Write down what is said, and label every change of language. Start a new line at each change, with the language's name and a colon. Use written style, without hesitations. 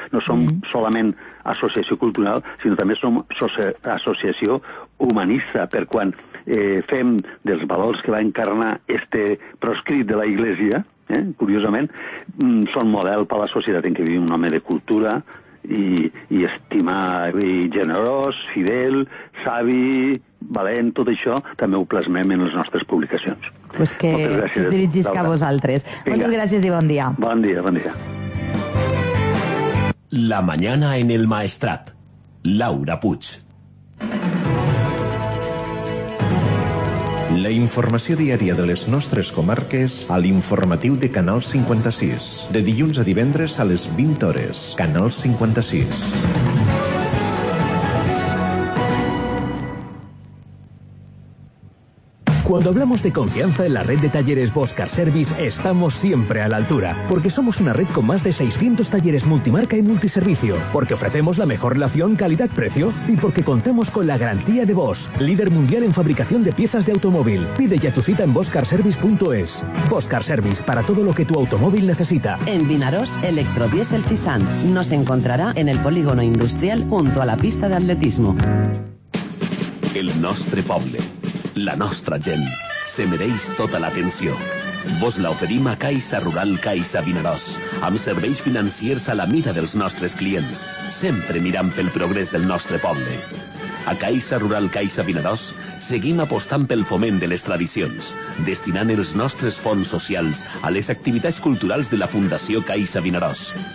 Catalan: No som solament associació cultural, sinó també som associació humanista, per quan fem dels valors que va encarnar este proscrit de la Iglesia, curiosament, són model per a la societat en què vivim, un home de cultura i estimar, i generós, fidel, savi, valent, tot això també ho plasmem en les nostres publicacions. Pues que es dirigisca a vosaltres. Vinga. Moltes gràcies i bon dia. Bon dia, bon dia.
Spanish: La mañana en el Maestrat. Laura Puig.
Catalan: La informació diària de les nostres comarques a l'informatiu de Canal 56. De dilluns a divendres a les 20 hores. Canal 56.
Spanish: Cuando hablamos de confianza en la red de talleres Boscar Service, estamos siempre a la altura. Porque somos una red con más de 600 talleres multimarca y multiservicio. Porque ofrecemos la mejor relación calidad-precio. Y porque contamos con la garantía de Bosch, líder mundial en fabricación de piezas de automóvil. Pide ya tu cita en boscarservice.es. Boscar Service, para todo lo que tu automóvil necesita. En Vinaros, Electrodiesel Fisan. Nos encontrará en el polígono industrial junto a la pista de atletismo.
Catalan: El nostre poble. La nostra gent. Se mereix tota l'atenció. Vos la oferim a Caixa Rural Caixa Vinaròs, amb serveis financiers a la mida dels nostres clients, sempre mirant pel progrés del nostre poble. A Caixa Rural Caixa Vinaròs seguim apostant pel foment de les tradicions, destinant els nostres fons socials a les activitats culturals de la Fundació Caixa Vinaròs.